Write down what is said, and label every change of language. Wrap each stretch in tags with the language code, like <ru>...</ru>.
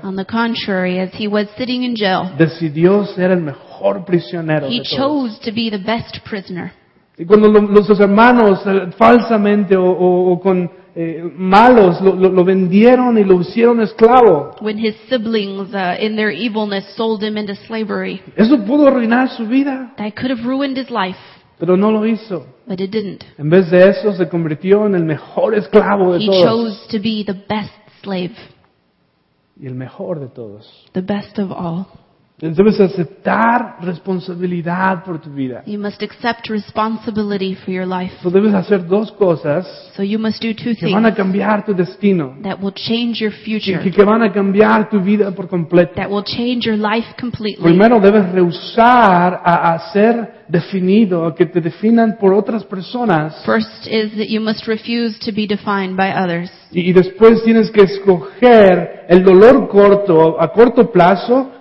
<en>on the contrary, as he was sitting in jail,</en> <es>decidió ser el mejor prisionero</es> <en>he</en> <es>de todos.</es> <en>Chose to be the best prisoner.</en> <es>Y cuando los hermanos falsamente o con malos lo vendieron y lo hicieron esclavo.</es> <en>When his siblings in their evilness sold him into slavery.</en> <es>Eso pudo arruinar su vida.</es> <en>That could have ruined his life.</en> <es>Pero no lo hizo.</es> <en>But it didn't.</en> <es>En vez de eso se convirtió en el mejor esclavo de</es> <en>he</en> <es>todos.</es> <en>He chose to be the best slave.</en> <es>Y el mejor de todos.</es> <en>The best of all.</en> <es>Debes aceptar responsabilidad por tu vida.</es> <en>You must accept responsibility for your life.</en> <es>So debes hacer dos cosas.</es> <en>So you must do two things.</en> <es>Que van a cambiar tu destino.</es> <en>That will change your future.</en> <es>Que van a cambiar tu vida por completo.</es> <en>That will change your life completely.</en> <es>Primero debes rehusar a ser definido, que te definan por otras personas.</es> <en>First is that you must refuse to be defined by others.</en> <es>Y después tienes que escoger el dolor corto a corto plazo.</es>